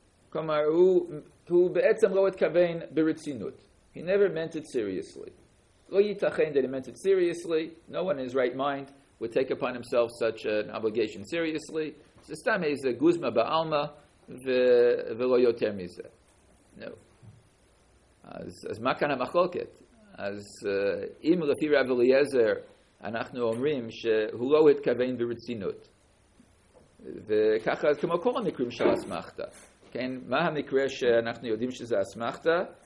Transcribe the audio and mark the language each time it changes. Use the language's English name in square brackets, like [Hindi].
[Hebrew] כלומר, הוא בעצם לא התכוון ברצינות. [English] He never meant it seriously. [Hebrew] לא ייתכן [English] that he meant it seriously. No one in his right mind would take upon himself such an obligation seriously. [Hebrew] זה סתם איזה גוזמה בעלמה, ולא יותר מזה. No. אז מה כאן המחלוקת? אז אם לפי רב אליעזר אנחנו אומרים שהוא לא התכוון ברצינות, וככה כמו כל המקרים של אסמכתא, כן, מה המקרה שאנחנו יודעים שזה אסמכתא?